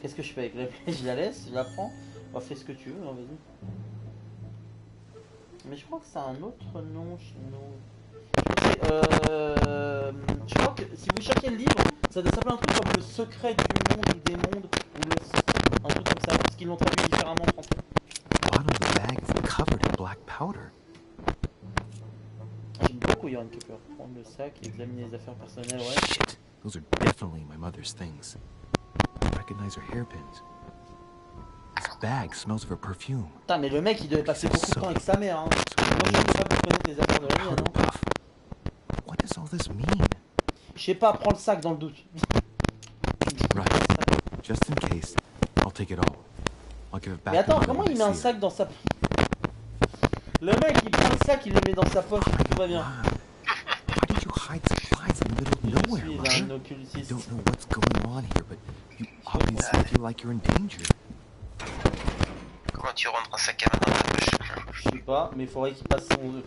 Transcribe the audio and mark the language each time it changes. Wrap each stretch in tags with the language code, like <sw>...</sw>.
<fr>Qu'est-ce que je fais avec la clé? Je la laisse, je la prends. Bah, fais ce que tu veux, hein, vas-y. Mais je crois que c'est un autre nom chez nous. Je crois que si vous cherchez le livre, ça doit s'appeler un truc comme le secret du monde ou des mondes. Ou le... Un truc comme ça, parce qu'ils l'ont traduit différemment en français.</fr> <en>The bottom of the bag is covered in black powder.</en> <fr>Il y a un qui peut reprendre le sac et examiner les affaires personnelles. Ouais.</fr> <en>Shit, those are definitely my mother's things. I recognize her hairpins. This bag smells of her perfume.</en> <fr>Putain, mais le mec, il devait passer beaucoup de temps avec sa mère. Hein. Moi, je ne sais pas vous connaître les affaires de la mienne. Non.</fr> <en>What does all this mean?</en> <fr>Je sais pas. Prends le sac dans le doute.</fr> <en>Right. Just in case, I'll take it all. I'll give it back.</en> <fr>Mais attends, comment il met un sac dans sa poche? Le mec, il prend le sac, il le met dans sa poche, tout va bien.</fr> <en>Why did you hide supplies in the middle of nowhere, Mother? I don't know what's going on here, but you obviously feel like you're in danger.</en> <fr>Comment tu rentres un sac à main dans ta poche? Je sais pas, mais faudrait qu'il passe son...</fr>